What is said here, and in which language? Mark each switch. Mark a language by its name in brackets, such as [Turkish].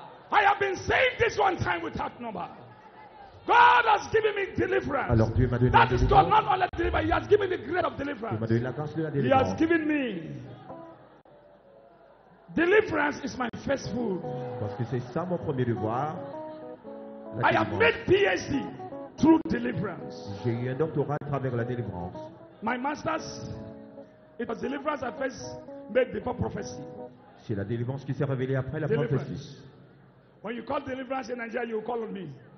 [English] I have been saying this one time without number. God has given me deliverance. [French] Alors, Dieu m'a donné [English] that is God not only deliver, he has given me the grace of deliverance. [French] Dieu m'a donné la grâce de la délivrance. [English] He has given me deliverance is my first food. [French] Parce que c'est ça mon premier devoir. [English] I have made PhD through deliverance. [French] J'ai eu un doctorat à travers la délivrance. [English] My master's, it was deliverance I first made before prophecy. [French] C'est la délivrance qui s'est révélée après la prophétie. [English] When you call deliverance in Nigeria, you call on me.